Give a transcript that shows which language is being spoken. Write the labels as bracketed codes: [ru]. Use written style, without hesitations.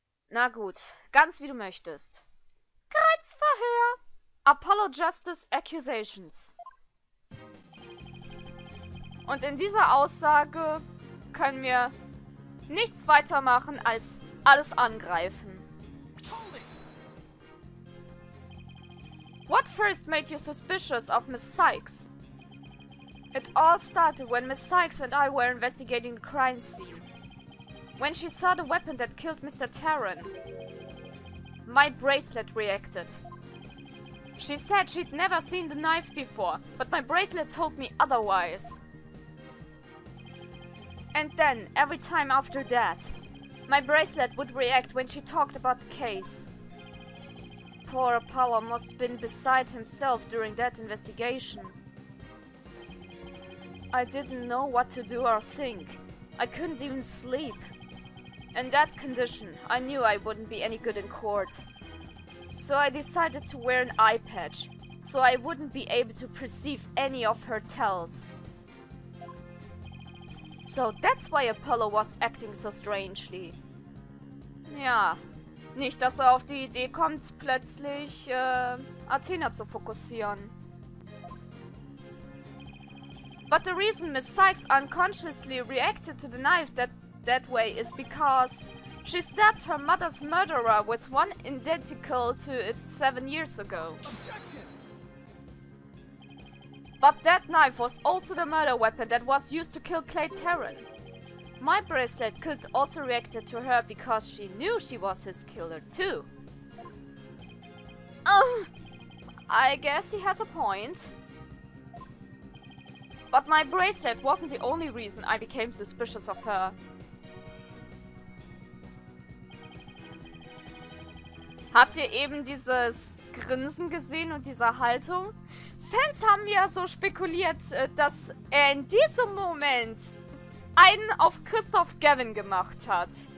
[de] Na gut, ganz wie du möchtest. Kreuzverhör! [en] Apollo Justice Accusations. [de] Und in dieser Aussage können wir nichts weiter machen als alles angreifen. [en] What first made you suspicious of Miss Sykes? It all started when Miss Sykes and I were investigating the crime scene. When she saw the weapon that killed Mr. Terran, my bracelet reacted. She said she'd never seen the knife before, but my bracelet told me otherwise. And then, every time after that, my bracelet would react when she talked about the case. Poor Apollo must have been beside himself during that investigation. I didn't know what to do or think. I couldn't even sleep. In that condition, I knew I wouldn't be any good in court. So I decided to wear an eye patch, so I wouldn't be able to perceive any of her tells. So that's why Apollo was acting so strangely. [de] Ja, nicht, dass auf die Idee kommt, plötzlich Athena zu fokussieren. [en] But the reason Miss Sykes unconsciously reacted to the knife that way is because she stabbed her mother's murderer with one identical to it 7 years ago. Objection. But that knife was also the murder weapon that was used to kill Clay Terran. My bracelet could also react to her because she knew she was his killer too. I guess he has a point. But my bracelet wasn't the only reason I became suspicious of her. [de] Habt ihr eben dieses Grinsen gesehen und diese Haltung? Fans haben ja so spekuliert, dass er in diesem Moment einen auf Christoph Gavin gemacht hat.